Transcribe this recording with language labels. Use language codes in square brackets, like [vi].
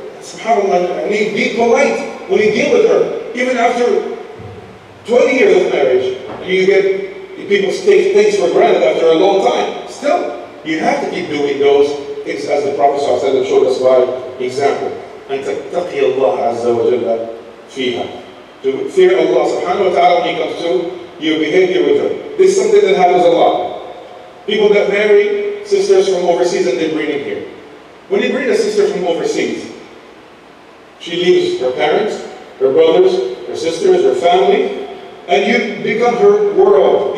[en] SubhanAllah, be polite when you deal with her. Even after 20 years of marriage, you get people take things for granted after a long time. Still, you have to keep doing those things as the Prophet said and showed us by example. [ar] And تَتَّقِي اللَّهَ عَزَّ وَجَلَّ فِيهَا. [en] To fear Allah subhanahu wa ta'ala when it comes to your behavior with her. This is something that happens a lot. People that marry sisters from overseas and they bring in here. When you bring a sister from overseas, she leaves her parents, her brothers, her sisters, her family, and you become her world.